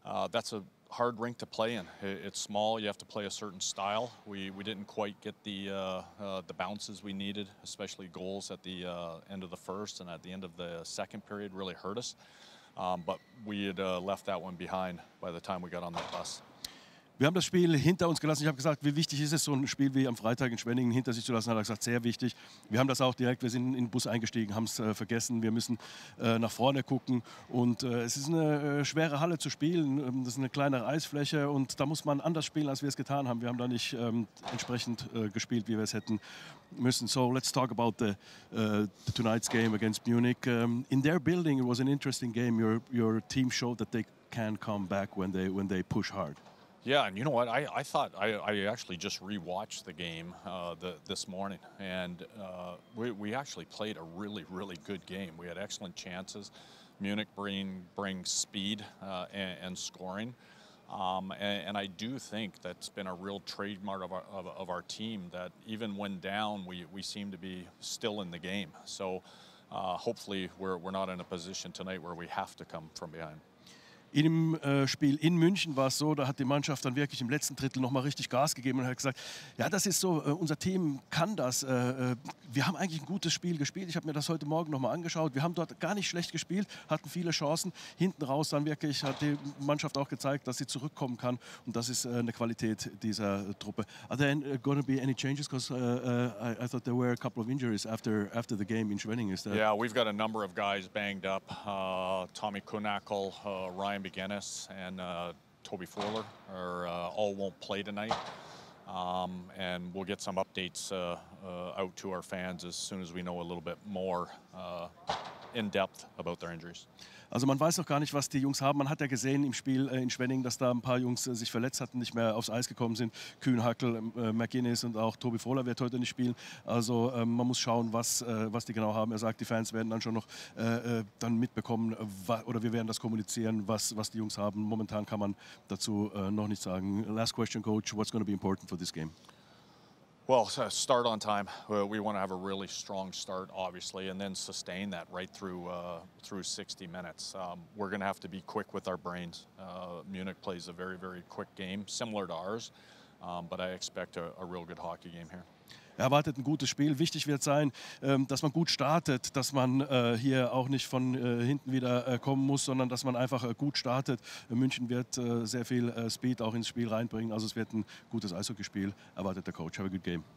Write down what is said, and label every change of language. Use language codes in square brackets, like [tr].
[en] That's a hard rink to play in. It's small. You have to play a certain style. We didn't quite get the bounces we needed, especially goals at the end of the first and at the end of the second period really hurt us. But we had left that one behind by the time we got on the bus. [de] Wir haben das Spiel hinter uns gelassen. Ich habe gesagt, wie wichtig ist es, so ein Spiel wie am Freitag in Schwenningen hinter sich zu lassen? Hat er gesagt, sehr wichtig. Wir haben das auch direkt, wir sind in den Bus eingestiegen, haben es vergessen. Wir müssen nach vorne gucken. Und es ist eine schwere Halle zu spielen. Das ist eine kleinere Eisfläche und da muss man anders spielen, als wir es getan haben. Wir haben da nicht entsprechend gespielt, wie wir es hätten müssen. [en] So, let's talk about the tonight's game against Munich. In their building, it was an interesting game. Your team showed that they can come back when they push hard. Yeah, and you know what? I thought I actually just rewatched the game this morning, and we actually played a really, really good game. We had excellent chances. Munich bring speed and scoring, and I do think that's been a real trademark of our team, that even when down, we seem to be still in the game. So hopefully we're not in a position tonight where we have to come from behind. [de] Im Spiel in München war es so, da hat die Mannschaft dann wirklich im letzten Drittel noch mal richtig Gas gegeben und hat gesagt, ja, das ist so, unser Team kann das. Wir haben eigentlich ein gutes Spiel gespielt. Ich habe mir das heute Morgen noch mal angeschaut. Wir haben dort gar nicht schlecht gespielt, hatten viele Chancen. Hinten raus dann wirklich hat die Mannschaft auch gezeigt, dass sie zurückkommen kann. Und das ist eine Qualität dieser Truppe. [en] Are there going to be any changes? Because I thought there were a couple of injuries after the game in Schwenningen. Yeah, we've got a number of guys banged up. Tommy Kunackel, Ryan McGinnis and Toby Fowler all won't play tonight, and we'll get some updates out to our fans as soon as we know a little bit more in depth about their injuries. [de] Also man weiß noch gar nicht, was die Jungs haben. Man hat ja gesehen im Spiel in Schwenningen, dass da ein paar Jungs sich verletzt hatten, nicht mehr aufs Eis gekommen sind. Kühnhackl, McGinnis und auch Toby Fowler wird heute nicht spielen. Also man muss schauen, was die genau haben. Er sagt, die Fans werden dann schon noch dann mitbekommen oder wir werden das kommunizieren, was die Jungs haben. Momentan kann man dazu noch nicht sagen. [en] Last question, Coach. What's going to be important for this game? Well, start on time. We want to have a really strong start, obviously, and then sustain that right through 60 minutes. We're going to have to be quick with our brains. Munich plays a very, very quick game, similar to ours, but I expect a real good hockey game here. [de] Er erwartet ein gutes Spiel. Wichtig wird sein, dass man gut startet, dass man hier auch nicht von hinten wieder kommen muss, sondern dass man einfach gut startet. München wird sehr viel Speed auch ins Spiel reinbringen. Also es wird ein gutes Eishockeyspiel, erwartet der Coach. [en] Have a good game.